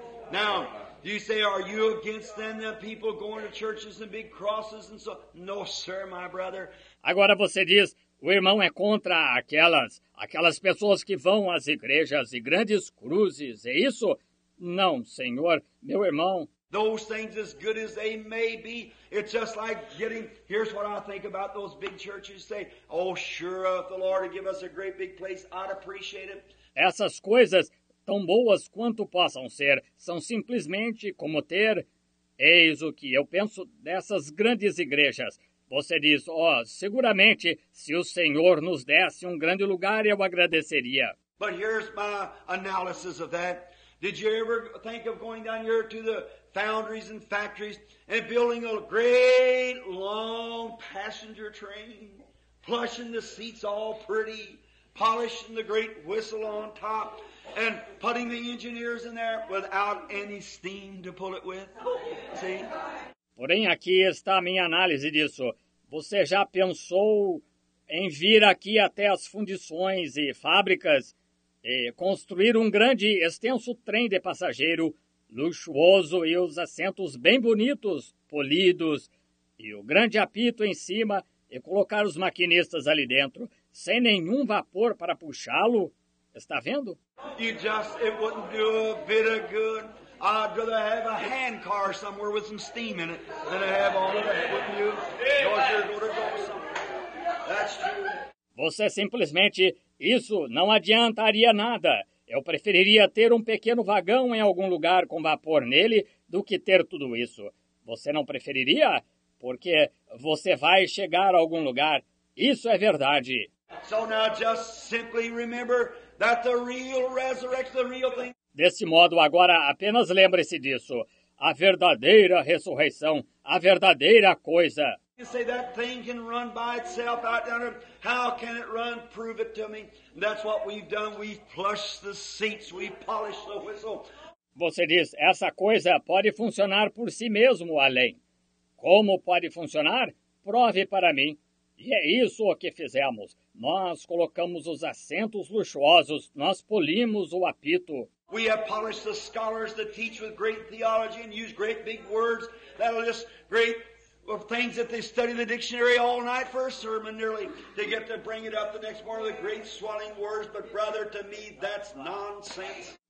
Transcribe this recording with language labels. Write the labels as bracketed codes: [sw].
[en] Now, you say, are you against then the people going to churches and big crosses and so? No, sir, my brother. [pt] Agora você diz, o irmão é contra aquelas pessoas que vão às igrejas e grandes cruzes, é isso? Não, senhor, meu irmão. [en] Those things, as good as they may be, it's just like getting, here's what I think about those big churches, say, oh, sure, if the Lord would give us a great big place, I'd appreciate it. [pt] Essas coisas, tão boas quanto possam ser, são simplesmente como ter. Eis o que eu penso dessas grandes igrejas. Você diz, ó, seguramente, se o Senhor nos desse um grande lugar, eu agradeceria. [en] But here's my analysis of that. Did you ever think of going down here to the foundries and factories and building a great long passenger train, plushing the seats all pretty, polishing the great whistle on top, and putting the engineers in there without any steam to pull it with? See? [pt] Porém, aqui está a minha análise disso. Você já pensou em vir aqui até as fundições e fábricas e construir um grande, extenso trem de passageiro, luxuoso e os assentos bem bonitos, polidos, e o grande apito em cima e colocar os maquinistas ali dentro, sem nenhum vapor para puxá-lo? Está vendo? [en] You just, it wouldn't do a bit of good. I'd rather have a hand car somewhere with some steam in it than I have all of that, wouldn't you? Because you're going to go somewhere. That's true. [pt] Você simplesmente, isso não adiantaria nada. Eu preferiria ter um pequeno vagão em algum lugar com vapor nele do que ter tudo isso. Você não preferiria? Porque você vai chegar a algum lugar. Isso é verdade. [en] So now just simply remember that the real resurrection, the real thing. [pt] Desse modo, agora apenas lembre-se disso. A verdadeira ressurreição, a verdadeira coisa. [en] You say that thing can run by itself out there. How can it run? Prove it to me. That's what we've done. We've plushed the seats. We've polished the whistle. [pt] Você diz, essa coisa pode funcionar por si mesmo, além. Como pode funcionar? Prove para mim. E é isso o que fizemos. Nós colocamos os assentos luxuosos. Nós polimos o apito. [en] We have polished the scholars that teach with great theology and use great big words that are just great of things that they study the dictionary all night for a sermon nearly to get to bring it up the next morning, the great swelling words, but brother, to me, that's nonsense.